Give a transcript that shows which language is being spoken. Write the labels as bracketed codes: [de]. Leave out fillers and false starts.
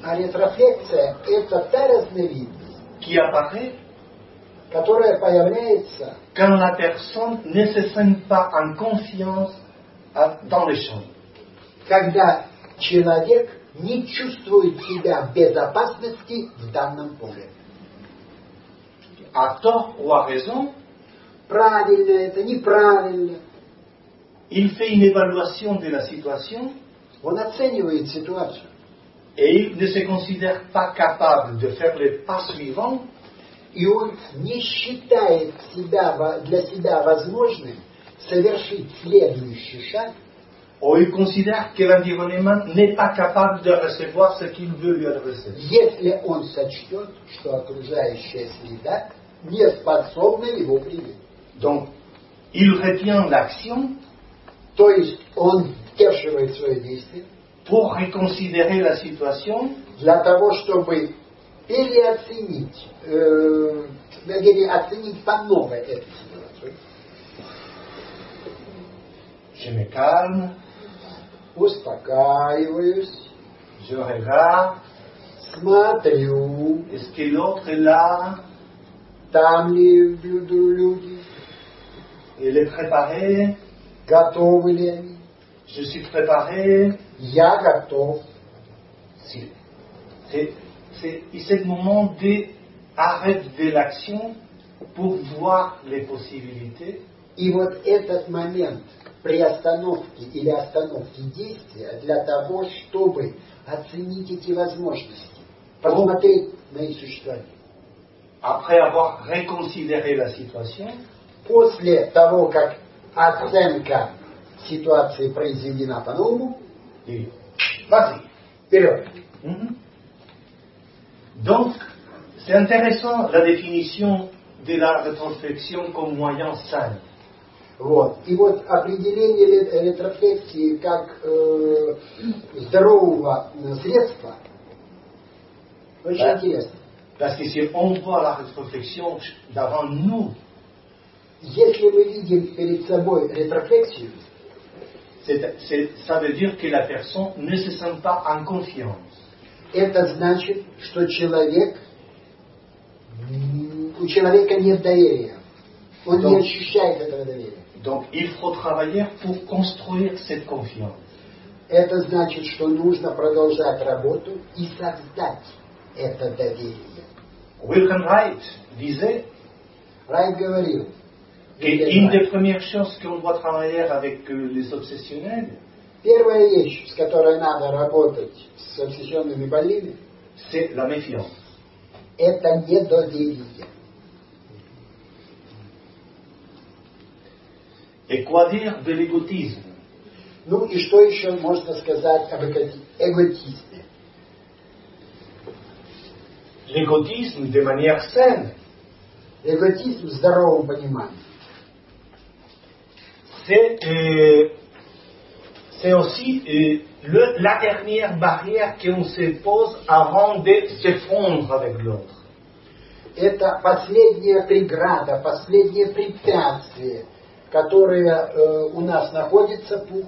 [ru] А ретрофлексия – это та разновидность, [fr] qui apparaît, [ru] которая появляется, [fr] quand la personne ne se sent pas en confiance dans les champs. [ru] Когда человек не чувствует себя в безопасности в данном поле. А то, [fr] ou à raison, [ru] правильно это, неправильно. [fr] Il fait une évaluation de la situation. [ru] Он оценивает ситуацию. [fr] Et il ne se considère pas capable de faire le pas suivant. [ru] И он не считает себя, для себя возможным совершить следующий шаг. [fr] Ou il considère que l'environnement n'est pas capable de recevoir ce qu'il veut lui adresser. [ru] Если он сочтет, что окружающая среда не способна его принять. [fr] Donc, il retient l'action. [ru] То есть он сдерживает свое действие. [fr] Pour reconsidérer la situation. [ru] Для того, чтобы переоценить, оценить по-новому эту ситуацию. [fr] Je me calme. [ru] Успокаиваюсь. [fr] Je regarde. [ru] Смотрю. [fr] Est-ce que l'autre est là? [ru] Там ли люди? [fr] Il est préparé. [ru] Готовы ли они? [fr] Je suis préparé. [ru] Я готов. [fr] Si. C'est le moment d'arrêt de l'action pour voir les possibilités. [ru] И вот этот момент приостановки или остановки действия для того, чтобы оценить эти возможности, посмотреть на их существование. [fr] Après avoir reconsidéré la situation, [ru] после того, как оценка ситуации произведена по-новому, и пошли вперед. [fr] Donc, c'est intéressant la définition de la rétroflexion comme moyen sain. [ru] Вот. И вот определение ретрофлексии как здорового средства очень интересно. [fr] Parce que si on voit la rétroflexion devant nous, [ru] если мы видим перед собой рефлексию, [fr] ça veut dire que la personne ne se sent pas en confiance. [ru] Это значит, что человек, у человека нет доверия. Он [fr] donc, [ru] не ощущает этого доверия. [fr] Donc il faut travailler pour construire cette confiance. [ru] Это значит, что нужно продолжать работу и создать это доверие. [fr] Wilhelm Reich disait, [ru] Райт говорил, [fr] et une des premières choses qu'on doit travailler avec les obsessionnels, [ru] первая вещь, с которой надо работать с обсессионными больными, [fr] c'est la méfiance. [ru] Это недоверие. [fr] Et quoi dire de l'égotisme? [ru] Ну и что еще можно сказать об эготизме? [fr] L'égotisme de manière saine. [ru] Эготизм в здоровом понимании. [fr] C'est aussi la dernière barrière qu'on se pose avant de s'effondrer avec l'autre. [ru] Это последняя преграда, последнее препятствие, которое у нас находится